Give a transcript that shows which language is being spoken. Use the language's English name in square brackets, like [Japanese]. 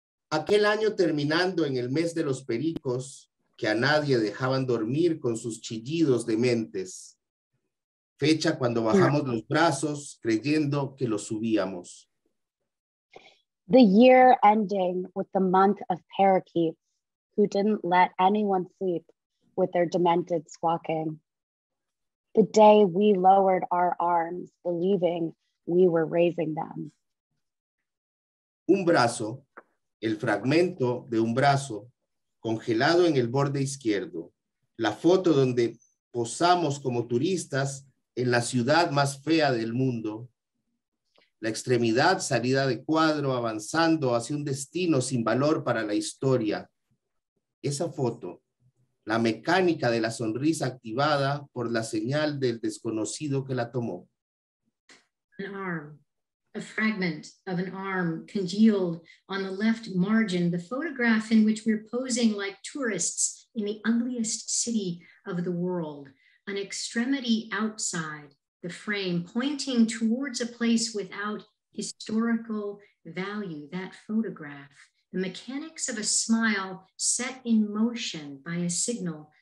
[Spanish] Aquel año terminando en el mes de los pericos, que a nadie dejaban dormir con sus chillidos dementes. Fecha cuando bajamos los brazos creyendo que los subíamos. [English] The year ending with the month of parakeets who didn't let anyone sleep with their demented squawking. The day we lowered our arms believing we were raising them. [Spanish] Un brazo, el fragmento de un brazo, congelado en el borde izquierdo, la foto donde posamos como turistas en la ciudad más fea del mundo, la extremidad salida de cuadro avanzando hacia un destino sin valor para la historia. Esa foto, la mecánica de la sonrisa activada por la señal del desconocido que la tomó. [English] An arm, a fragment of an arm congealed on the left margin, the photograph in which we're posing like tourists in the ugliest city of the world, an extremity outside the frame, pointing towards a place without historical value, that photograph, the mechanics of a smile set in motion by a signal